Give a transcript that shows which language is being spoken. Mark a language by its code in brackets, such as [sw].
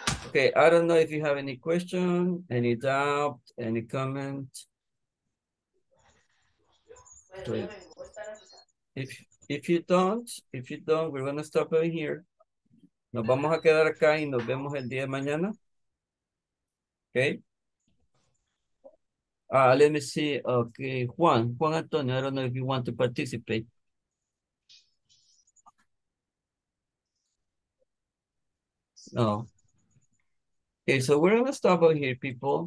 [en] Okay, I don't know if you have any question, any doubt, any comment. If you don't, we're gonna stop over here. [es] Nos vamos a quedar acá y nos vemos el día de mañana. [en] Okay. Let me see. Okay, Juan Antonio, I don't know if you want to participate. No. Okay, so we're gonna stop over here, people.